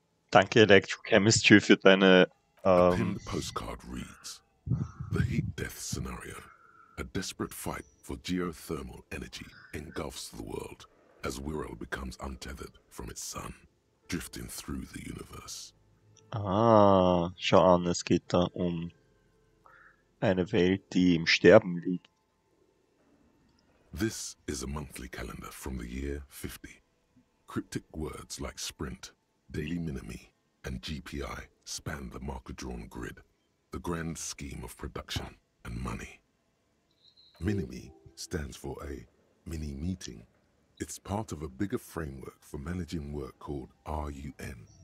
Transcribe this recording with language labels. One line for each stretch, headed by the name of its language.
German: Danke, Electrochemistry, für deine...
English: A pinned postcard reads, the heat death scenario. A desperate fight for geothermal energy engulfs the world as Wirral becomes untethered from its sun, drifting through the universe.
German: Ah, schau an, es geht da um eine Welt, die im Sterben liegt.
English: This is a monthly calendar from the year 50. Cryptic words like sprint, daily minimi, and GPI span the marker-drawn grid, the grand scheme of production and money. Minimi stands for a mini-meeting. It's part of a bigger framework for managing work called RUN.